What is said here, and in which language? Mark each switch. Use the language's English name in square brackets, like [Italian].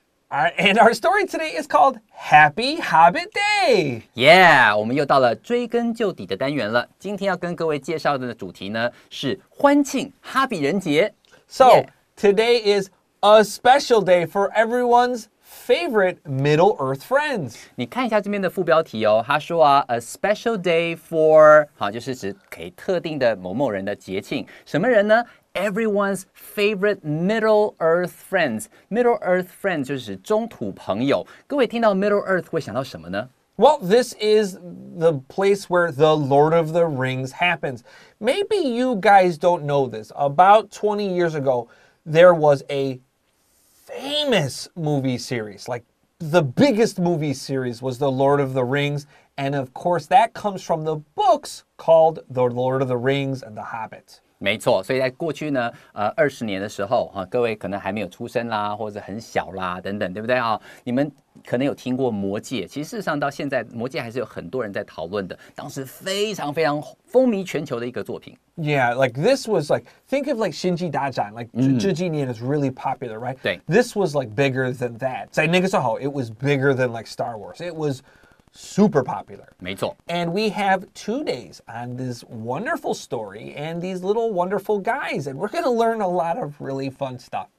[English] And our story today is called Happy Hobbit Day! [Chinese] Yeah, 我们又到了追根究底的单元了。今天要跟各位介绍的主题呢是欢庆哈比人节。 [English] So,、yeah. today is a special day for everyone's favorite Middle Earth friends. [Chinese] 你看一下这边的副标题哦，他说啊 ， [English] a special day for， [Chinese] 好，就是指给特定的某某人的节庆。什么人呢 [English] ？Everyone's favorite Middle Earth friends. [Chinese] Middle Earth friends 就是中土朋友。各位听到 Middle Earth 会想到什么呢？ [English] Well, this is the place where the Lord of the Rings happens. Maybe you guys don't know this. About 20 years ago, there was a famous movie series. Like, the biggest movie series was the Lord of the Rings. And of course, that comes from the books called The Lord of the Rings and The Hobbit. [Chinese] 没错，所以在过去呢，二十年的时候，哈，各位可能还没有出生啦，或者很小啦，等等，对不对啊？你们可能有听过《魔戒》，其实事实上到现在，《魔戒》还是有很多人在讨论的，当时非常非常风靡全球的一个作品。 [English] Yeah, like this was like think of like 星际大战 like [Chinese] 这几年 [English] is really popular, right? [Chinese] 对 [English] ，This was like bigger than that. [Chinese] 在那个时候 [English] ，it was bigger than like Star Wars. It was. Super popular. [Chinese] 没错 [English] And we have 2 days on this wonderful story and these little wonderful guys, and we're going to learn a lot of really fun stuff.